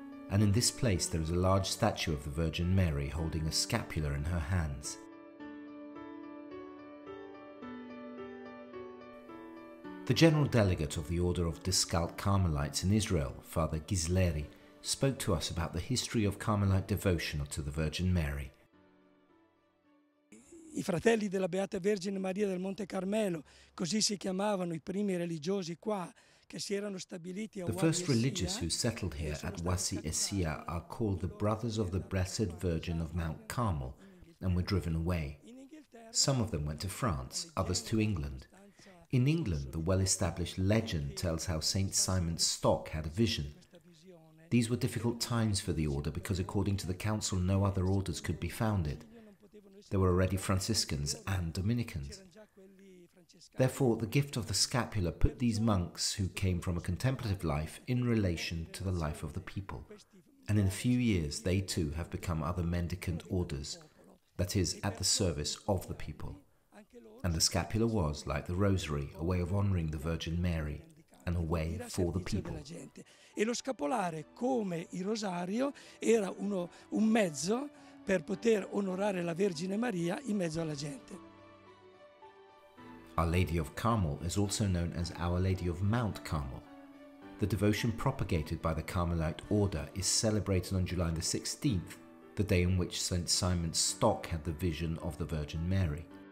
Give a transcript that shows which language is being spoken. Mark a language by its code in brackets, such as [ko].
[en] And in this place, there is a large statue of the Virgin Mary holding a scapular in her hands. The general delegate of the Order of Discalced Carmelites in Israel, Father Ghisleri, spoke to us about the history of Carmelite devotion to the Virgin Mary. [it] I fratelli della Beata Vergine Maria del Monte Carmelo, così si chiamavano i primi religiosi qua. [en] The first religious who settled here at Wasi Essia are called the Brothers of the Blessed Virgin of Mount Carmel and were driven away. Some of them went to France, others to England. In England, the well-established legend tells how Saint Simon Stock had a vision. These were difficult times for the order because according to the council, no other orders could be founded. There were already Franciscans and Dominicans. Therefore, the gift of the scapular put these monks who came from a contemplative life in relation to the life of the people. And in a few years, they too have become other mendicant orders, that is, at the service of the people. And the scapular was, like the rosary, a way of honoring the Virgin Mary and a way for the people. [it] E lo scapolare, come il rosario, era un mezzo per poter onorare la Vergine Maria in mezzo alla gente. [en] Our Lady of Carmel is also known as Our Lady of Mount Carmel. The devotion propagated by the Carmelite order is celebrated on July the 16th, the day in which Saint Simon Stock had the vision of the Virgin Mary.